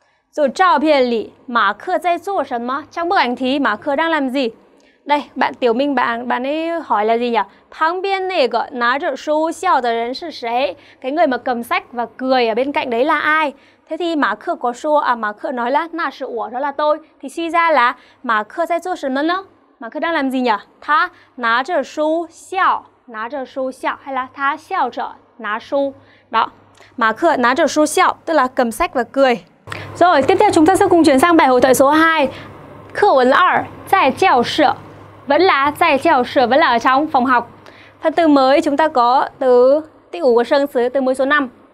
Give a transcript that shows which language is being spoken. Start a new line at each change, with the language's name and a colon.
Chinese: Rồi, 照片里, 马克在做什么?
Vietnamese: Trong bức ảnh thì, 马克 đang làm gì? Đây, bạn Tiểu Minh, bạn ấy hỏi là gì nhỉ?
Chinese: 旁边那个拿着书笑的人是谁?
Vietnamese: Cái người mà cầm sách và cười ở bên cạnh đấy là ai? Thế thì, 马克 có số, à, 马克 nói là,
Chinese: 那是我,
Vietnamese: đó là tôi. Thì suy ra là,
Chinese: 马克在做什么呢?
Vietnamese: 马克 đang làm gì nhỉ?
Chinese: 他拿着书笑, 拿着书笑,
Vietnamese: hay là
Chinese: 他笑着拿书.
Vietnamese: Đó,
Chinese: 马克拿着书笑,
Vietnamese: tức là cầm sách và cười. Rồi, tiếp theo chúng ta sẽ cùng chuyển sang bài hội thoại số 2. Khuẩn 2, tại giáo sư. Vẫn là tại giáo sư, vẫn là ở trong phòng học. Phần từ mới chúng ta có từ tí ủ của sân sứ, từ mới số 5.